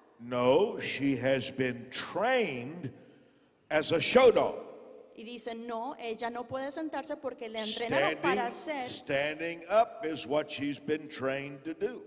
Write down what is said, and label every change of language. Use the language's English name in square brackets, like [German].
[English] No, she has been trained as a show dog. [Spanish] Y dice, no, ella no puede sentarse porque le entrenaron para ser. [English] Standing up is what she's been trained to do.